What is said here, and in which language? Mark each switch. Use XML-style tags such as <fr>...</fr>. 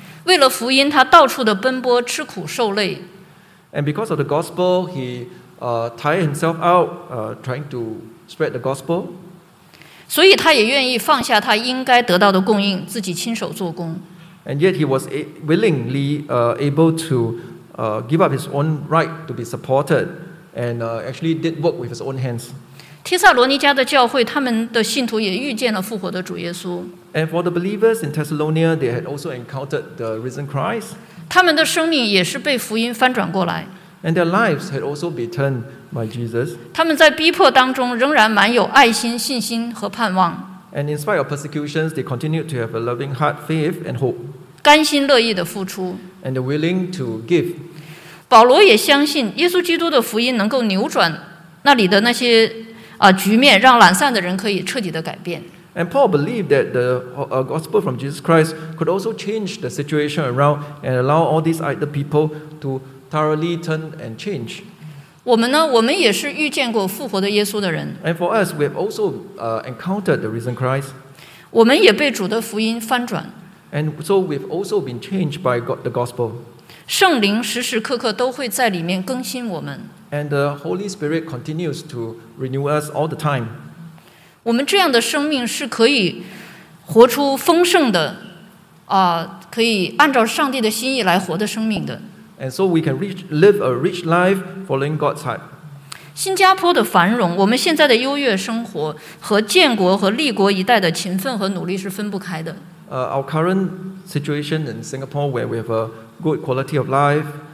<zh>为了福音，他到处的奔波，吃苦受累。</zh> <en>And because of the gospel, he tired himself out trying to spread the gospel.</en> <zh>所以他也愿意放下他应该得到的供应，自己亲手做工。</zh> <en>And yet he was willingly able to give up his own right to be supported, and actually did work with his own hands.</en> <zh>帖撒罗尼迦的教会，他们的信徒也遇见了复活的主耶稣。</zh> <en>And for the believers in Thessalonica, they had also encountered the risen Christ.</en> <zh>他们的生命也是被福音翻转过来。</zh> <en>And their lives had also been turned by Jesus.</en> <zh>他们在逼迫当中仍然满有爱心、信心和盼望。</zh> <en>And in spite of persecutions, they continued to have a loving heart, faith, and hope.</en> <zh>甘心乐意的付出。</zh> <en>And they're willing to give.</en> <zh>保罗也相信耶稣基督的福音能够扭转那里的那些。局面让懒散的人可以彻底的改变。</zh> <en>And Paul believed that the gospel from Jesus Christ could also change the situation around and allow all these idle people to thoroughly turn and change.</en> <zh>我们呢？我们也是遇见过复活的耶稣的人。</zh> <en>And for us, we have also encountered the risen Christ.</en> <zh>我们也被主的福音翻转。</zh> <en>And so we've also been changed by the gospel.</en> <zh>圣灵时时刻刻都会在里面更新我们。</zh> <en>And the Holy Spirit continues to renew us all the time.</en> <zh>我们这样的生命是可以活出丰盛的，可以按照上帝的心意来活的生命的。</zh> <en>And so we can live a rich life following God's heart.</en> <zh>新加坡的繁荣，我们现在的优越生活和建国和立国一代的勤奋和努力是分不开的。</zh> <en>Our current situation in Singapore, where we have a good quality of life.</en>